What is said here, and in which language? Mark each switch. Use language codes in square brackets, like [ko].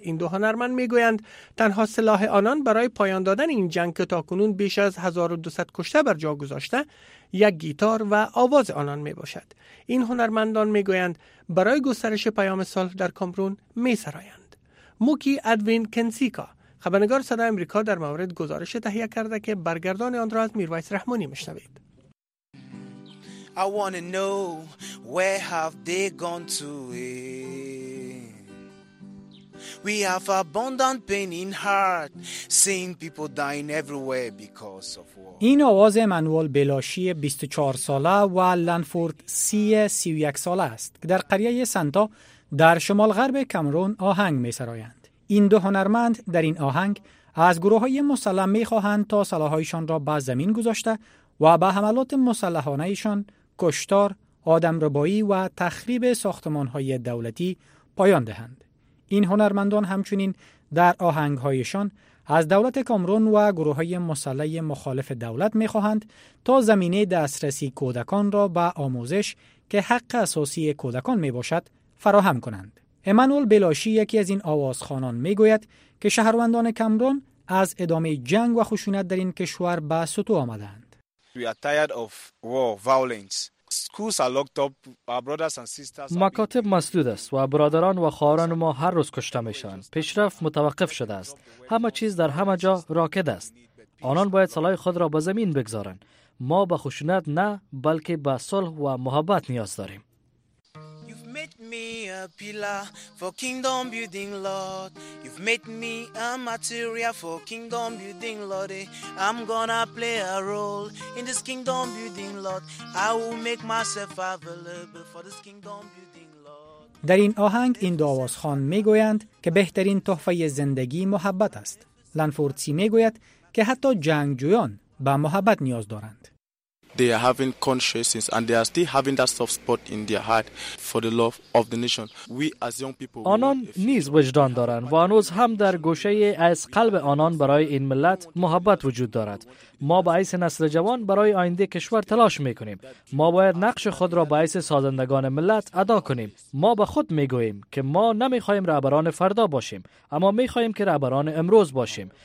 [fa] این دو هنرمند میگویند تنها سلاح آنان برای پایان دادن این جنگ که تاکنون بیش از 1200 کشته بر جا گذاشته، یک گیتار و آواز آنان میباشد. این هنرمندان میگویند برای گسترش پیام صلح در کامرون میسرایند. موکی ادوین کنسیکا، خبرنگار صدای آمریکا، در مورد گزارش تهیه کرده که برگردان آن را از میرویس رحمانی میشنوید. [en] I want to know where have they gone to? We have abundant pain in heart, seeing people dying everywhere because of war. [fa] این آواز منوال بلاشی 24 ساله و لنفورد سی 31 ساله است که در قریه سنتا در شمال غرب کامرون آهنگ می سرایند. این دو هنرمند در این آهنگ از گروه های مسلح می خواهند تا سلاح‌هایشان را به زمین گذاشته و به حملات مسلحانه ایشان، کشتار، آدم ربایی و تخریب ساختمان‌های دولتی پایان دهند. این هنرمندان همچنین در آهنگ‌هایشان از دولت کامرون و گروه‌های مسلح مخالف دولت می‌خواهند تا زمینه دسترسی کودکان را به آموزش که حق اساسی کودکان می‌باشد فراهم کنند. امانوئل بلاشی، یکی از این آوازخوانان، می‌گوید که شهروندان کامرون از ادامه جنگ و خشونت در این کشور به ستو آمدند. [en] We are tired of war, violence. Schools are locked up. Our brothers and sisters. [fa] مکاتب مسدود است و برادران و خواهران ما هر روز کشته میشوند. پیشرفت متوقف شده است. همه چیز در همه جا راکد است. آنان باید سلاح خود را به زمین بگذارند. ما به خشونت نه، بلکه به صلح و محبت نیاز داریم. [en] You've made me a pillar for kingdom building, Lord. You've made me a material for kingdom building, Lord. I'm gonna play a role in this kingdom building, Lord. I will make myself available for this kingdom building, Lord. [fa] در این آهنگ این دو آوازخوان میگویند که بهترین تحفه زندگی محبت است. لنفورد سی میگوید که حتی جنگجویان به محبت نیاز دارند. [en] They are having consciences and they are still having that soft spot in their heart for the love of the nation. We as young people. [fa] آنان نیز وجدان دارند و هنوز هم در گوشه از قلب آنان برای این ملت محبت وجود دارد. ما به حیث نسل جوان برای آینده کشور تلاش میکنیم. ما باید نقش خود را به حیث سازندگان ملت ادا کنیم. ما به خود میگوییم که ما نمیخواهیم رهبران فردا باشیم، اما میخواهیم که رهبران امروز باشیم.